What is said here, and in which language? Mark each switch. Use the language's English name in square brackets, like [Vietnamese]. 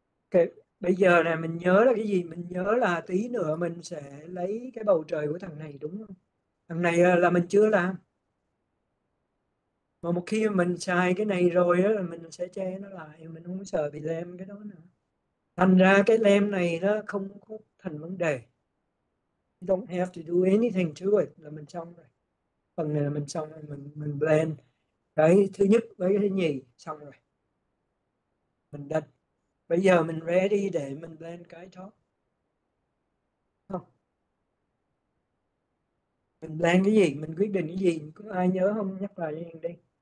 [Vietnamese] Ok, bây giờ này mình nhớ là cái gì? Mình nhớ là tí nữa mình sẽ lấy cái bầu trời của thằng này, đúng không? Thằng này là mình chưa làm. Mà một khi mình xài cái này rồi đó, là mình sẽ che nó lại, mình không sợ bị lem cái đó nữa. Thành ra cái lem này nó không có thành vấn đề. [English] You don't have to do anything to it. [Vietnamese] Là mình xong rồi. Phần này là mình xong rồi. Mình blend cái thứ nhất với cái thứ nhì xong rồi. Mình đặt. Bây giờ mình ready để mình blend cái top. Mình blend cái gì? Mình quyết định cái gì? Có ai nhớ không? Nhắc lại cho mình đi.